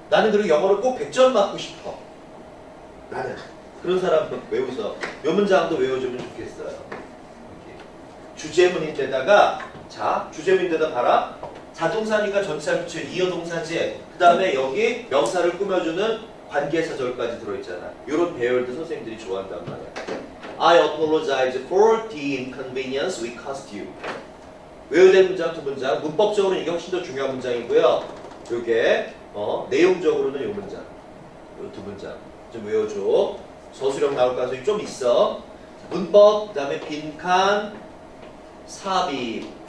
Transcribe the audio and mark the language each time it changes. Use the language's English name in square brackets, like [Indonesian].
[Korean] 나는 그리고 영어를 꼭 100점 맞고 싶어. 나는 그런 사람 외우서 요 문장도 외워주면 좋겠어요. 이렇게. 주제문인데다가, 자, 주제문인데다 봐라. 자동사니까 전치사 붙여 이어동사지. 그 다음에 여기 명사를 꾸며주는 관계사절까지 들어있잖아. 요런 배열도 선생님들이 좋아한단 말이야. [English] I apologize for the inconvenience we caused you. [Korean] 외우된 문장 두 문장. 문법적으로는 이게 훨씬 더 중요한 문장이고요. 요게 어, 내용적으로는 요 문장. 요 두 문장 좀 외워줘. 서술형 나올 가능성이 좀 있어. 문법, 그 다음에 빈칸, 삽입.